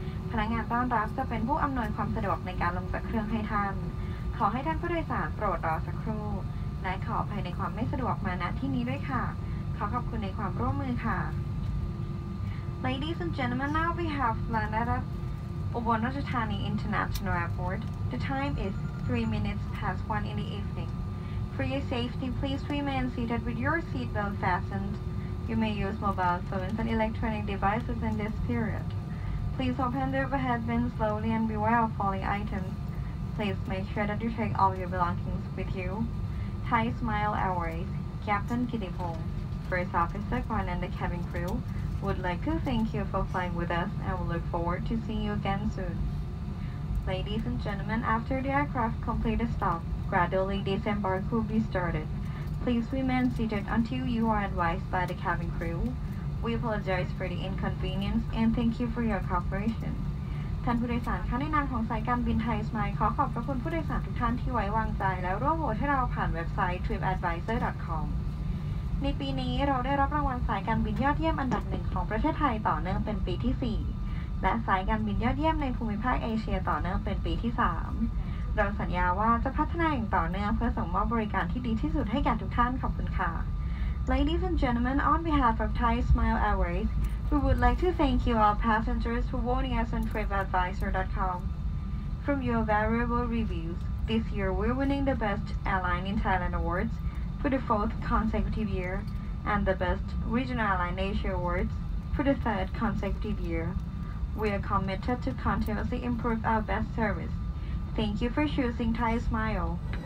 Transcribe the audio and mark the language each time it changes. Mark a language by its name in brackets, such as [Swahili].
[Thai] พนักงานต้อนรับจะเป็นผู้อำนวยความสะดวกในการลงจากเครื่องให้ท่านขอให้ท่านผู้โดยสารโปรดรอสักครู่และขออภัยในความไม่สะดวกมาณที่นี้ด้วยค่ะขอขอบคุณในความร่วมมือค่ะ [English] Ladies and gentlemen, now we have landed at Ubon Ratchathani International Airport. The time is 3 minutes past 1 in the evening. For your safety, please remain seated with your seatbelt fastened. You may use mobile phones and electronic devices in this period. Please open the overhead bin slowly and beware of falling items. Please make sure that you take all your belongings with you. Thai Smile Airways, Captain Kittipong, First Officer Kwan and the cabin crew would like to thank you for flying with us and we look forward to seeing you again soon. Ladies and gentlemen, after the aircraft complete a stop, gradually disembark will be started. Please remain seated until you are advised by the cabin crew. We apologize for the inconvenience and thank you for your cooperation. [Thai] ท่านผู้โดยสารคะในนามของสายการบินไทยสมายขอขอบพระคุณผู้โดยสารทุกท่านที่ไว้วางใจและร่วมโหวตให้เราผ่านเว็บไซต์ tripadvisor.com ในปีนี้เราได้รับรางวัลสายการบินยอดเยี่ยมอันดับหนึ่งของประเทศไทยต่อเนื่องเป็นปีที่4และสายการบินยอดเยี่ยมในภูมิภาคเอเชียต่อเนื่องเป็นปีที่3เราสัญญาว่าจะพัฒนาอย่างต่อเนื่องเพื่อส่งมอบบริการที่ดีที่สุดให้แก่ทุกท่านขอบคุณค่ะ [English] Ladies and gentlemen, on behalf of Thai Smile AirwaysWe would like to thank you, our passengers, for voting us on TripAdvisor.com. From your valuable reviews, this year we're winning the Best Airline in Thailand Awards for the 4th consecutive year and the Best Regional Airline Asia Awards for the 3rd consecutive year. We are committed to continuously improve our best service. Thank you for choosing Thai Smile.